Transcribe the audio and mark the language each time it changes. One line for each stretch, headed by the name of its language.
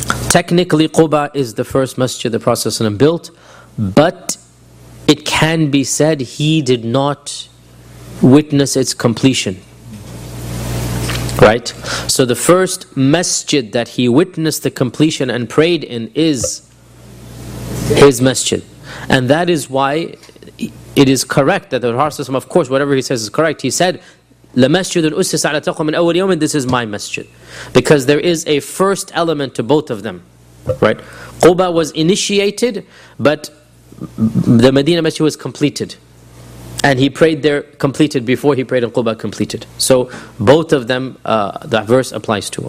English: Technically, Quba is the first masjid the Prophet ﷺ built, but it can be said he did not witness its completion. Right? So the first masjid that he witnessed the completion and prayed in is his masjid. And that is why it is correct that the Prophet ﷺ, of course, whatever he says is correct. He said,
Arabic: لَمَسْجِدُ الْأُسِّسَ عَلَى تَقْوَى مِنْ أَوَلْ يَوْمٍ.
English: This is my masjid. Because there is a first element to both of them. Right, Quba was initiated, but the Medina Masjid was completed, and he prayed there completed before he prayed in Quba completed. So both of them, that verse applies to.